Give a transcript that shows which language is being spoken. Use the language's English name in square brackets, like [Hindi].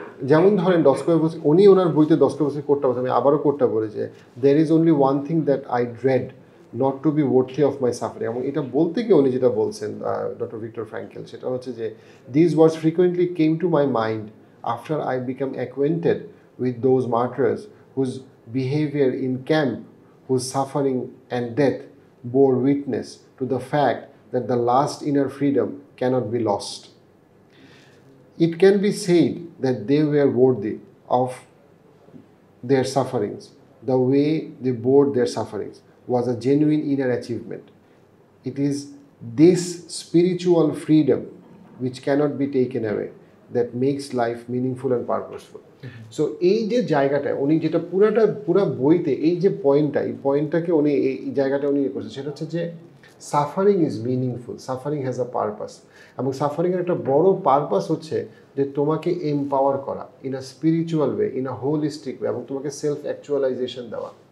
[Bangla] যেমন ধরেন 10-20 বছর উনি ওনার বইতে 10-20 বছর কোটটা বলছে, আমি আবারও কোটটা বলি যে [English] There is only one thing that I dread, not to be worthy of my suffering. [Bangla] এবং এটা বলতে গিয়ে উনি যেটা বলছেন ডক্টর ভিক্টর ফ্র্যাঙ্কেল, সেটা হচ্ছে যে [English] This words frequently came to my mind after I become acquainted with those martyrs whose behavior in camp, whose suffering and death bore witness to the fact that the last inner freedom cannot be lost. It can be said that they were worthy of their sufferings. The way they bore their sufferings was a genuine inner achievement. It is this spiritual freedom, which cannot be taken away, that makes life meaningful and purposeful. [Bangla] So, এই যে জায়গাটা উনি যেটা পুরাটা পুরো বইতে এই যে পয়েন্টটা এই পয়েন্টটাকে উনি এই জায়গাটা উনি ইয়ে করছে সেটা হচ্ছে যে [English] suffering is meaningful, suffering has a purpose, [Bangla] এবং সাফারিংয়ের একটা বড় পারপাস হচ্ছে যে তোমাকে এম্পাওয়ার করা [English] in a spiritual way, in a holistic way, [Bangla] এবং তোমাকে সেলফ অ্যাকচুয়ালাইজেশন দেওয়া।